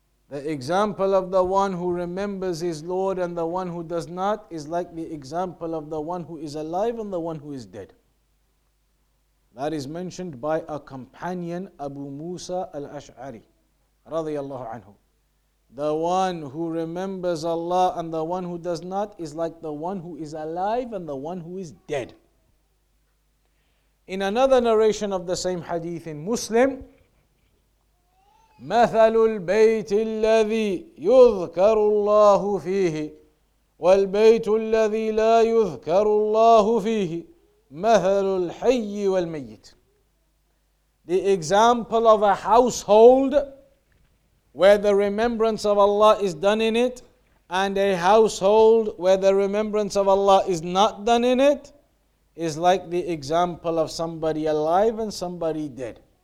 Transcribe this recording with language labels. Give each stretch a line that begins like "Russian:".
English: The example of the one who remembers his Lord and the one who does not is like the example of the one who is alive and the one who is dead. That is mentioned by a companion, Abu Musa al-Ash'ari, radiyallahu anhu. The one who remembers Allah and the one who does not is like the one who is alive and the one who is dead. In another narration of the same hadith in Muslim,
Arabic: مثل البيت الذي يذكر الله فيه والبيت الذي لا يذكر الله فيه مثل الحي والميت.
English: The example of a household where the remembrance of Allah is done in it and a household where the remembrance of Allah is not done in it is like the example of somebody alive and somebody dead.